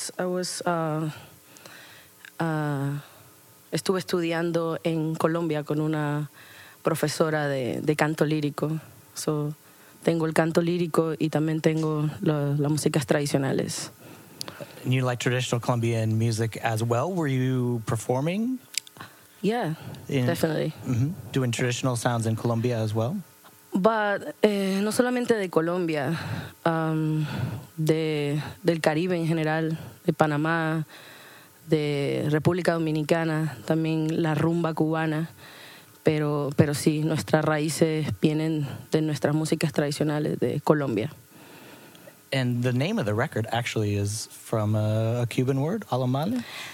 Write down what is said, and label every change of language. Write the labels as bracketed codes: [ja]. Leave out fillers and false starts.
[en] Yeah, I [es] estuve estudiando en Colombia con una profesora de canto lírico. So tengo el canto lírico y también tengo las músicas tradicionales. [en] And you like traditional Colombian music as well. Were you performing? Yeah, definitely. Mm-hmm. Doing traditional sounds in Colombia as well? [es] But no solamente de Colombia, del Caribe en general, de Panamá, de República Dominicana, también la rumba cubana. Pero sí, nuestras raíces vienen de nuestras músicas tradicionales de Colombia. [en] And the name of the record actually is from a Cuban word, Aumale?